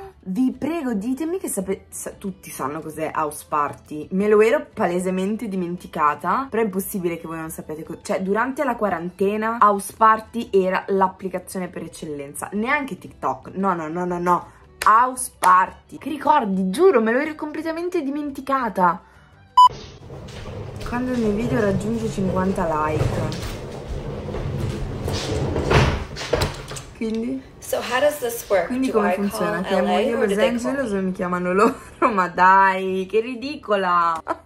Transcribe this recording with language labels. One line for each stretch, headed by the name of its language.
Italian: Vi prego, ditemi che tutti sanno cos'è house party. Me lo ero palesemente dimenticata, però è impossibile che voi non sappiate. Cioè, durante la quarantena house party era l'applicazione per eccellenza. Neanche TikTok, no, house party. Che ricordi, giuro, me lo ero completamente dimenticata. Quando il mio video raggiunge 50 like. Quindi?
English: So how does this work?
Italian: Quindi come funziona? Chiamo io Los Angeles o mi chiamano loro? Ma dai, che ridicola!